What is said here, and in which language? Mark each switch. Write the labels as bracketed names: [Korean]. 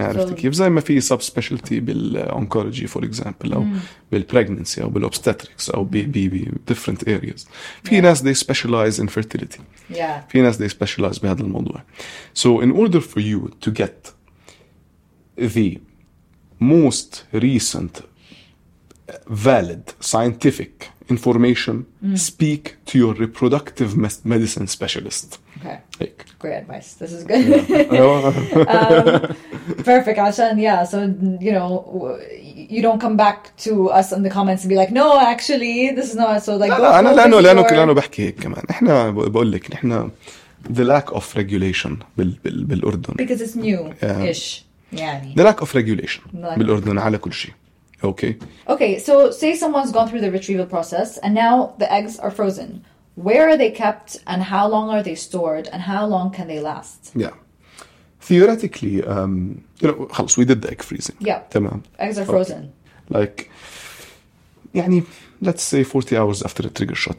[Arabic] عرفت كيف؟ زي ما في sub-specialty بال-oncology, [English] for example, [Arabic] أو بال-pregnancy, أو بال-obstetrics, أو [English] different areas. [Arabic] في ناس, [English] they specialize in fertility. Yeah. [Arabic] في ناس, [English] they specialize [Arabic] بهذا الموضوع. [English] So in order for you to get the most recent valid scientific information, speak to your reproductive medicine specialist. Okay. Like, great advice. This is good. Yeah. perfect. عشان, yeah. So, you know, you don't come back to us in the comments and be like, no, actually, this is not. So, like, [Arabic] لا, بحكي هيك كمان. احنا بقول لك احنا [English] the lack of regulation [Arabic] بالأردن. [English] Because it's new-ish. يعني. The lack of regulation [Arabic] بالأردن على كل شيء. [English] Okay. Okay, so say someone's gone through the retrieval process and now the eggs are frozen. Where are they kept and how long are they stored and how long can they last? Yeah. Theoretically, خلص, we did the egg freezing. Yeah. [Arabic] تمام. [English] Eggs are frozen. Okay. Like, يعني, let's say 40 hours after the trigger shot.